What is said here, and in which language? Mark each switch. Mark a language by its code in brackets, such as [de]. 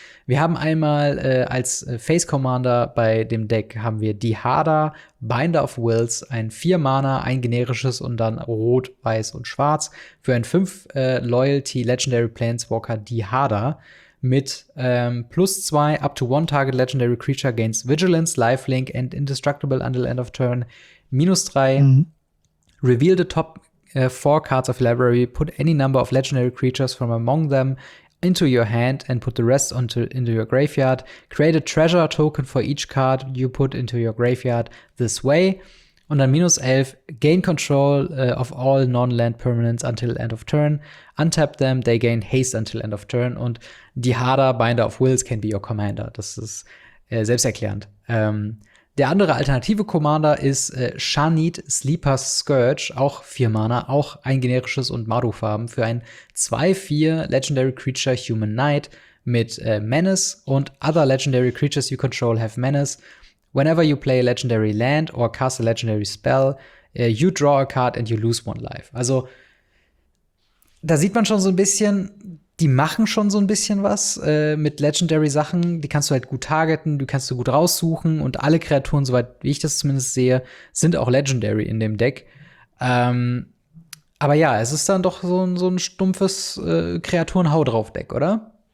[de] Wir haben einmal als Face Commander bei dem Deck haben wir die Dihada, Binder of Wills, ein 4-Mana, ein generisches und dann Rot, Weiß und Schwarz für ein 5-Loyalty Legendary Planeswalker Dihada mit +2 [en] up to one target legendary creature gains Vigilance, Lifelink and Indestructible until end of turn, [de] -3. Mhm. [en] Reveal the top 4 cards of your library, put any number of legendary creatures from among them into your hand and put the rest into your graveyard. Create a treasure token for each card you put into your graveyard this way. [de] Und dann [en] -11, gain control of all non-land permanents until end of turn. Untap them, they gain haste until end of turn. Und Dihada, Binder of Wills, can be your commander. [de] Das ist selbsterklärend. Der andere alternative Commander ist Shanid Sleeper's Scourge, auch 4 Mana, auch ein generisches und Mardu-Farben für ein 2-4 Legendary Creature Human Knight mit Menace und [en] other Legendary Creatures you control have Menace. Whenever you play a Legendary Land or cast a Legendary Spell, you draw a card and you lose one life. [de] Also, da sieht man schon so ein bisschen, die machen schon so ein bisschen was mit Legendary-Sachen. Die kannst du halt gut targeten, die kannst du gut raussuchen. Und alle Kreaturen, soweit wie ich das zumindest sehe, sind auch Legendary in dem Deck. Aber ja, es ist dann doch so ein stumpfes Kreaturen-Hau-drauf-Deck, oder?